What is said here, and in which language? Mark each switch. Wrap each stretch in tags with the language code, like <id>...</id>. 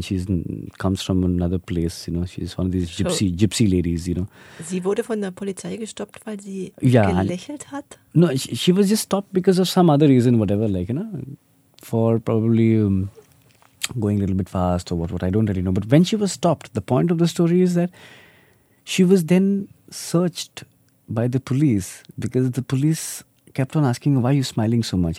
<en>And she's comes from another place, you know. She's one of these gypsy ladies, you know.</en> <de>Sie wurde von der Polizei gestoppt, weil sie gelächelt hat?</de> <en>No, she was just stopped because of some other reason, whatever, like, you know. For probably going a little bit fast or what I don't really know. But when she was stopped, the point of the story is that she was then searched by the police because the police kept on asking, why are you smiling so much?</en>